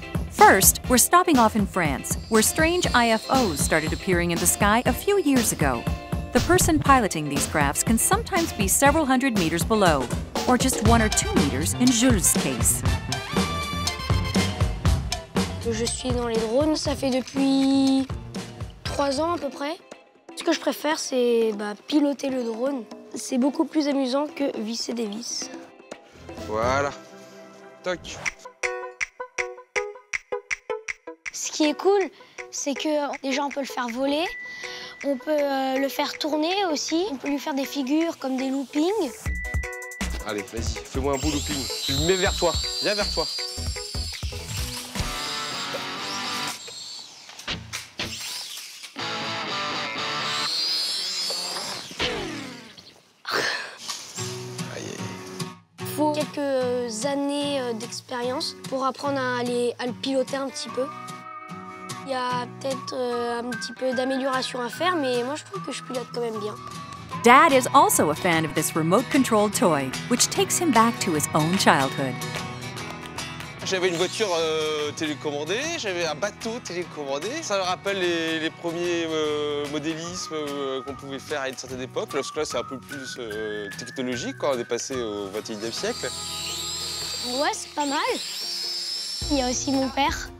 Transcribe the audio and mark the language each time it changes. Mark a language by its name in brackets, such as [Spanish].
[English] First, we're stopping off in France, where strange IFOs started appearing in the sky a few years ago. The person piloting these crafts can sometimes be several hundred meters below, or just 1 or 2 meters in Jules' case. [French] Je suis dans les drones, ça fait depuis 3 ans à peu près. Ce que je préfère, c'est piloter le drone. C'est beaucoup plus amusant que visser des vis. Voilà. Toc. Ce qui est cool, c'est que déjà on peut le faire voler, on peut le faire tourner aussi, on peut lui faire des figures comme des loopings. Allez, vas-y, fais-moi un beau looping. Je le mets vers toi, viens vers toi. Aïe. Faut quelques années d'expérience pour apprendre à le piloter un petit peu. Il y a peut-être un petit peu d'amélioration à faire, mais moi je trouve que je pilote quand même bien. [English] Dad is also a fan of this remote-controlled toy, which takes him back to his own childhood. [French] J'avais une voiture télécommandée, j'avais un bateau télécommandé. Ça me rappelle les premiers modélismes qu'on pouvait faire à une certaine époque, lorsque là c'est un peu plus technologique, quoi, on est passé au 21e siècle. Ouais, c'est pas mal. Il y a aussi mon père.